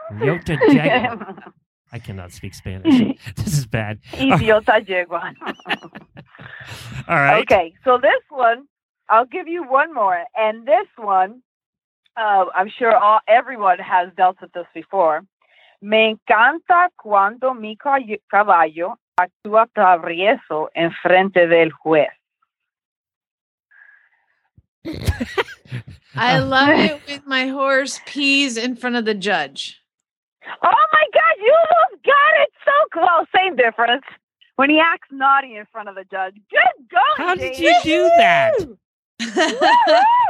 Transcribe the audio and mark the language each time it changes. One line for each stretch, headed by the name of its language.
Spanish: Idiota yegua.
English: I cannot speak Spanish. This is bad.
Spanish: Idiota yegua.
English: All right. Okay, so this one, I'll give you one more. And this one, I'm sure everyone has dealt with this before.
Spanish: Me encanta cuando mi caballo actúa travieso en frente del juez.
English: I love it when my horse pees in front of the judge. Oh, my God, you almost got it so close. Same difference. When he acts naughty in front of the judge. Good going, How Jamie. Did you do that?